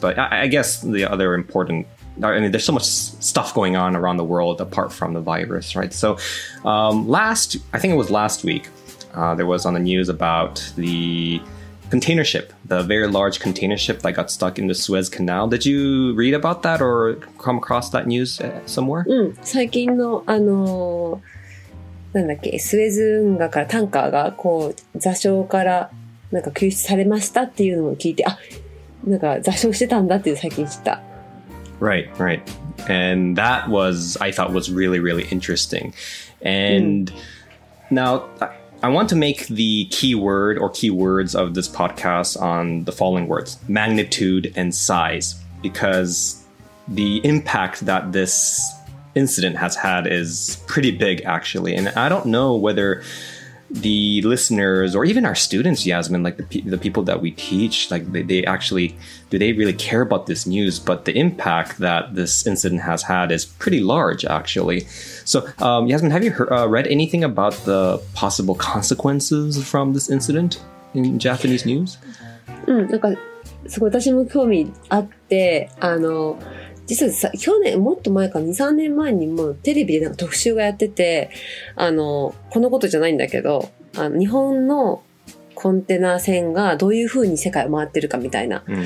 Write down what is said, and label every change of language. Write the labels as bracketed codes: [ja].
[en] But I guess the other important, there's so much stuff going on around the world apart from the virus, right? So I think it was last week, there was on the news about the container ship, the very large container ship that got stuck in the Suez Canal. Did you read about that or come across that news somewhere? [ja] うん、最近のなんだっけ、スエズ運河からタンカーがこう座礁からなんか救出されましたっていうのを聞いて、あ、なんか座礁してたんだっていう最近知った。 [en] Right, right. And that was, I thought, was really, really interesting. And、now... I want to make the keyword or keywords of this podcast on the following words, magnitude and size, because the impact that this incident has had is pretty big, actually. And I don't know whether the listeners or even our students, Yasmin, like the people that we teach, like they actually, do they really care about this news? But the impact that this incident has had is pretty large, actually. So, Yasmin, have you read anything about the possible consequences from this incident in Japanese news? [ja] なんかすごい私も興味あって、実はさ、去年、もっと前か、2、3年前にもテレビでなんか特集がやってて、このことじゃないんだけど、日本のコンテナ船がどういう風に世界を回ってるかみたいな。